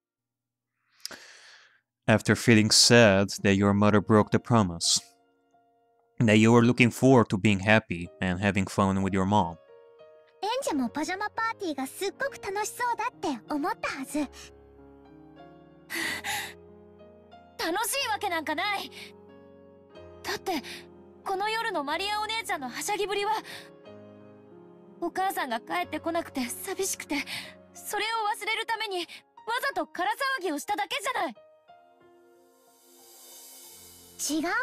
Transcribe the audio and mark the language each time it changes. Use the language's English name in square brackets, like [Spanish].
[Japanese] うん。悲しかったよ。たとえ覚えててくれたとしても、映画には行けなかったわけだから。でも、私はその後、サクタロととてもとても楽しく夜を過ごした。 [English] After feeling sad that your mother broke the promise, that you were looking forward to being happy and having fun with your mom. [Japanese] エンジェもパジャマパーティーがすっごく楽しそうだって思ったはず。楽しいわけなんかない。だってこの夜のマリアお姉ちゃんのはしゃぎぶりは、お母さんが帰ってこなくて寂しくて、それを忘れるためにわざと空騒ぎをしただけじゃない。